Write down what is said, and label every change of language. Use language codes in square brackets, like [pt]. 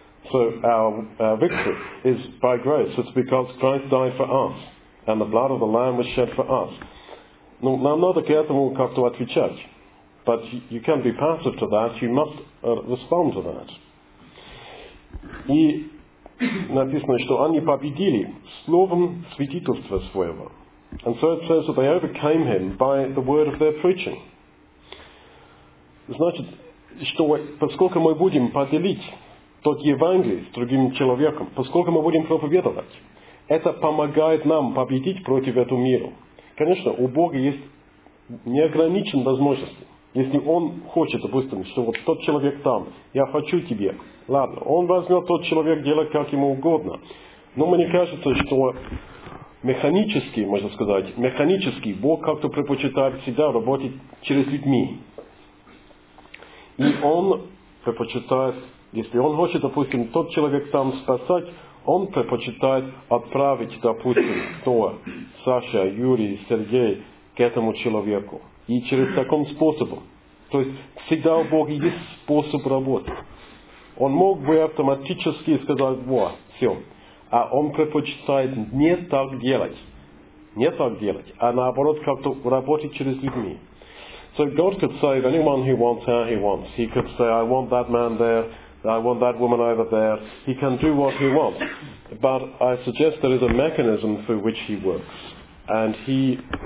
[en] So our victory is by grace. It's because Christ died for us, and the blood of the Lamb was shed for us. [ru] Ну, нам надо к этому как-то отвечать. [en] But you can't be passive to that. You must respond to that. [ru] И написано, что они победили словом свидетельства своего. [en] And so it says that they overcame him by the word of their preaching. [ru] Значит, что поскольку мы будем поделить тот Евангелие с другим человеком, поскольку мы будем проповедовать, это помогает нам победить против этого мира. Конечно, у Бога есть неограниченные возможности. Если Он хочет, допустим, что вот тот человек там, я хочу тебе. Ладно, Он возьмет тот человек, делать как ему угодно. Но мне кажется, что механически, можно сказать, механически Бог как-то предпочитает всегда работать через людьми. И Он предпочитает, если Он хочет, допустим, тот человек там спасать, Он предпочитает отправить, допустим, кто? Саша, Юрий, Сергей к этому человеку. И через таким способом. То есть всегда у Бога есть способ работы. Он мог бы автоматически сказать, вот, все. А Он предпочитает не так делать. Не так делать. А наоборот, как-то работать через людьми. [en] So God could save anyone he wants, how he wants. He could say, I want that man there. I want that woman over there. He can do what he wants. But I suggest there is a mechanism through which he works. And he...